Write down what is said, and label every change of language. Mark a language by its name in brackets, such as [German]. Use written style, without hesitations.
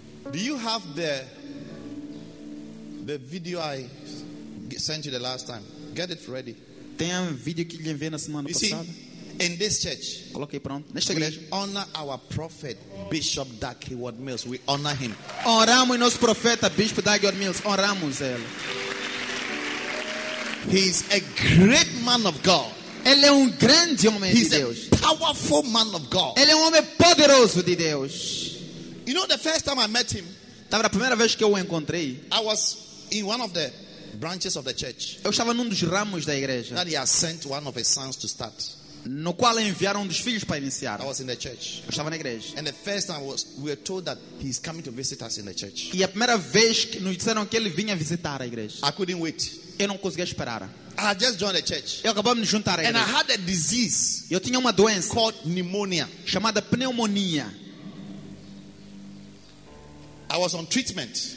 [English] Do you have the video I sent you the last time? Get it ready. [Portuguese] Tem vídeo que lhe enviei na semana passada. [English] In this church, [Portuguese] coloquei pronto. Nesta [English] we [Portuguese] igreja, [English] honor our prophet Bishop Doug Hayward Mills. We honor him. [Portuguese] Honramos nosso profeta Bispo Doug Hayward Mills. Honramos ele. [English] He's a great man of God. [Portuguese] Ele é grande homem [English] He's [Portuguese] de Deus. [English] A powerful man of God. [Portuguese] Ele é homem poderoso de Deus. [English] You know, the first time I met him, [Portuguese] a primeira vez que eu o encontrei, [English] I was in one of the branches of the church. [Portuguese] Eu estava num dos ramos da igreja. [English] That he has sent one of his sons to start. [Portuguese] No qual enviaram dos filhos para iniciar. [English] I was in the church. [Portuguese] Eu estava na igreja. [English] And the first time we were told that he's coming to visit us in the church. [Portuguese] E a primeira vez que nos disseram que ele vinha visitar a igreja. [English] I couldn't wait. [Portuguese] Eu não conseguia esperar. [English] I just joined the church. [Portuguese] Eu acabei de juntar a igreja. [English] And I had a disease. [Portuguese] Eu tinha uma doença. [English] Called pneumonia. [Portuguese] Chamada pneumonia. [English] I was on treatment.